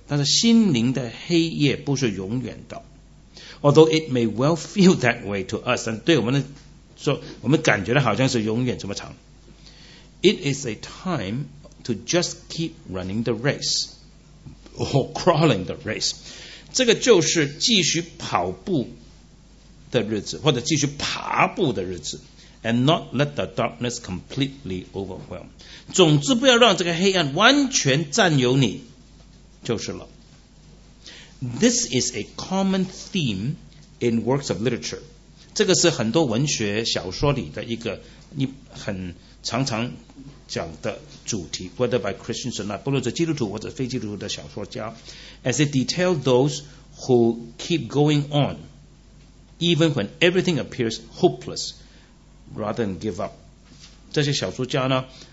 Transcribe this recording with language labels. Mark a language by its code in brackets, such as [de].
[zh] 但是心灵的黑夜不是永远的。 [en] Although it may well feel that way to us, [zh] 但对我们说，我们感觉的好像是永远这么长。 [en] It is a time to just keep running the race or crawling the race. [zh] 这个就是继续跑步的日子，或者继续爬步的日子。 [en] And not let the darkness completely overwhelm. [zh] 总之不要让这个黑暗完全占有你就是了。 [en] This is a common theme in works of literature. [zh] 这个是很多文学小说里的一很常常讲的主题 [en] whether by Christians or not, [zh] 不论是基督徒或者非基督徒的小说家 [en] as it details those who keep going on, even when everything appears hopeless,Rather than give up [zh] 这些小说家呢